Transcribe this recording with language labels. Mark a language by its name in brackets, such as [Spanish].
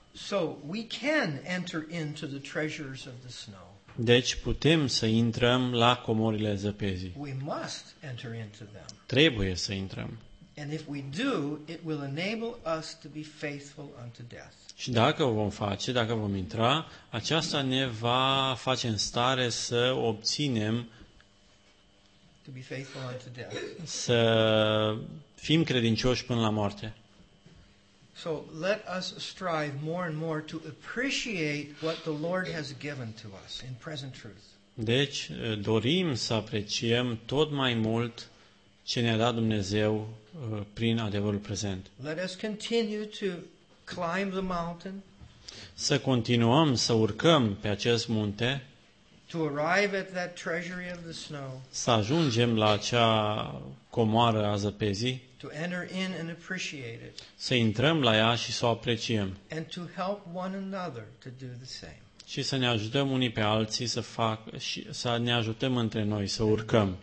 [English] So we can enter into the treasures of the snow. [Romanian] Deci putem să intrăm la comorile zăpezii. [English] We must enter into them. [Romanian] Trebuie să intrăm. [English] And if we do, it will enable us to be faithful unto death. [Romanian] Și dacă o vom face, dacă vom intra, aceasta ne va face în stare să obținem [English] to be faithful unto death. [Romanian] Să fim credincioși până la moarte. [English] So let us strive more and more to appreciate what the Lord has given to us in present truth. [Romanian] Deci dorim să apreciem tot mai mult ce ne-a dat Dumnezeu prin adevărul prezent. [English] Let us continue to climb the mountain. [Romanian] Să continuăm să urcăm pe acest munte. [English] To arrive at that treasury of the snow. [Romanian] Să ajungem la acea comoară a zăpezii. [English] To enter in and appreciate it. [Romanian] Să intrăm la ea și să o apreciem. [English] And to help one another to do the same. [Romanian] Și să ne ajutăm unii pe alții să fac și să ne ajutăm între noi să urcăm.